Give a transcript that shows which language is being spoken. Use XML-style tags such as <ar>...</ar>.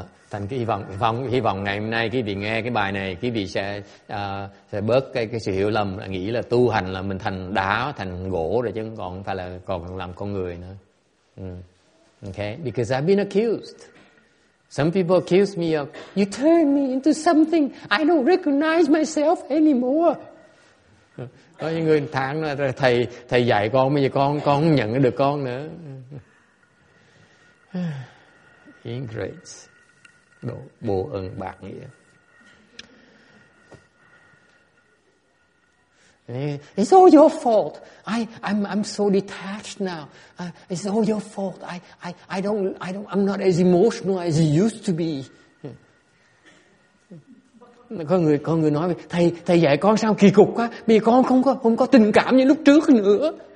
<vi>Thành cái hy vọng ngày hôm nay quý vị nghe cái bài này, quý vị sẽ bớt cái sự hiểu lầm, nghĩ là tu hành là mình thành đá, thành gỗ rồi chứ còn không phải là còn làm con người nữa.</vi> <en>Okay, because I've been accused. Some people accuse me of, you turn me into something I don't recognize myself anymore.</en> <vi>Có những người tháng nữa, thầy dạy con, bây giờ con không nhận được con nữa.</vi> <en>Ingrates.</en> <vi>Đồ bồ ơn bạc nghĩa.</vi> <en>It's all your fault. I'm so detached now. It's all your fault. I don't I'm not as emotional as you used to be.</en> <vi>Có người nói thầy dạy con sao kỳ cục quá, vì con không có tình cảm như lúc trước nữa.</vi>